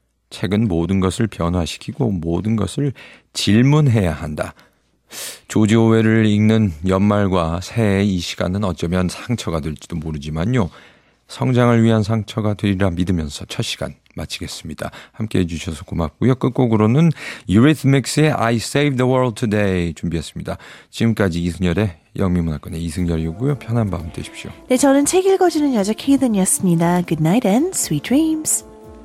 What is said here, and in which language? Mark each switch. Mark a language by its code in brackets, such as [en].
[ko] 책은 모든 것을 변화시키고 모든 것을 질문해야 한다. 조지 오웰을 읽는 연말과 새해 이 시간은 어쩌면 상처가 될지도 모르지만요. 성장을 위한 상처가 되리라 믿으면서 첫 시간 마치겠습니다. 함께해 주셔서 고맙고요. 끝곡으로는 유리스믹스의 I Saved the World Today 준비했습니다. 지금까지 이승열의 영미문학관의 이승열이고요. 편한 밤 되십시오. 네, 저는 책 읽어주는 여자 케이든이었습니다. [en] Good night and sweet dreams.